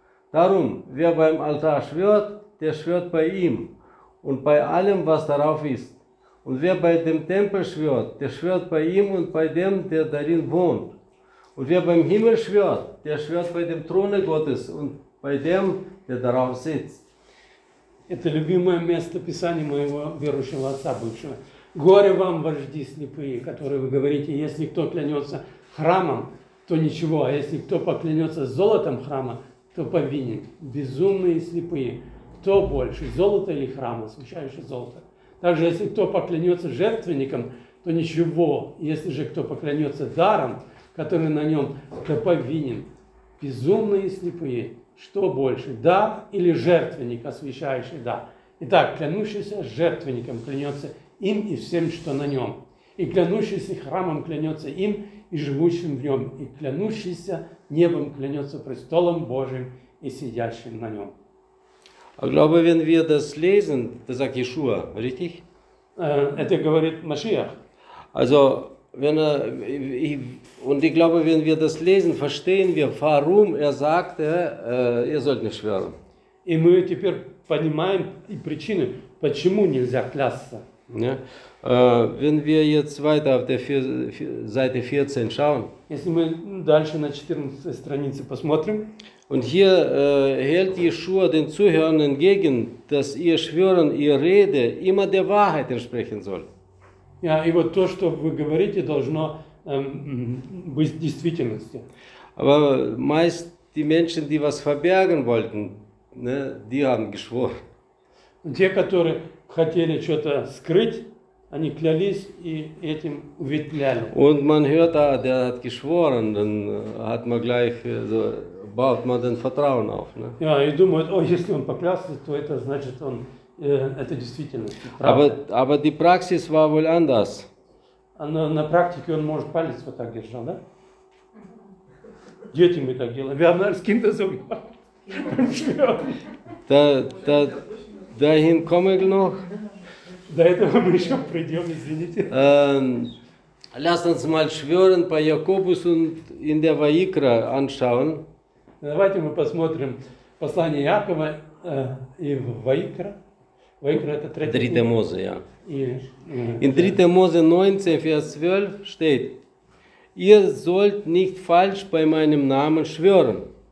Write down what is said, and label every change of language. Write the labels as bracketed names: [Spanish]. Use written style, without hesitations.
[German] Darum, wer beim Altar schwört, der schwört bei ihm und bei allem, was darauf ist. Und wer bei dem Tempel schwört, der schwört bei ihm und bei dem, der darin wohnt. Und wer beim Himmel schwört, der schwört bei dem Throne Gottes und bei dem, der darauf sitzt. [Russian] Это любимое место писания моего верующего отца бывшего. Горе вам, вожди слепые, которые вы говорите, если кто клянется храмом, то ничего, а если кто поклянется золотом храма, то повинен. Безумные слепые. Кто больше, золото или храм, освящающий золото? Также, если кто поклянется жертвенником, то ничего, если же кто поклянется даром, который на нем, то повинен. Безумные и слепые, что больше, дар или жертвенник, освящающий дар? Итак, клянущийся жертвенником клянется им и всем, что на нем. И клянущийся храмом клянется им и живущим в нем. И клянущийся небом клянется престолом Божиим и сидящим на нем. Я думаю, [German] wenn wir das lesen, das sagt Yeshua, richtig? [Russian] Это говорит Машиах. [German] Also, wenn er, und ich glaube, wenn wir das lesen, verstehen wir, warum er sagte, ihr sollt nicht schwören. [Russian] И мы теперь понимаем и причины, почему нельзя клясться. [German] Ja. Wenn wir jetzt weiter auf der Seite 14 schauen. [Russian] Если мы дальше на 14 странице посмотрим. [German] Und hier hält Yeshua den Zuhörern entgegen, dass ihr Schwören, ihr Rede immer der Wahrheit entsprechen soll. [Russian] Ja, и вот то, что вы говорите, должно быть действительностью. [German] Aber meist die Menschen, die was verbergen wollten, ne, die haben geschworen. [Russian] Те, которые хотели что-то скрыть, они клялись и этим уведляли. [German] Und man hört, der hat geschworen, dann hat man gleich so, baut man den Vertrauen auf, ne? [Russian] Ja, и думают, о, если он поклялся, то это значит, он это действительно. [German] Aber die Praxis war wohl anders. [Russian] На практике он может палец вот так держал, да? Дети мы так делаем. [German] Wir haben als Kinder so gemacht. Dahin komme ich noch. [Russian] До этого мы еще придем, извините. [German] Lass uns mal schwören bei Jakobus und in der Vaikra anschauen. [Russian] Давайте мы посмотрим послание Якова и в Vaikra. [German] Dritte Mose, ja. In 3. Mose 19, Vers 12 steht, ihr sollt nicht falsch bei meinem Namen schwören.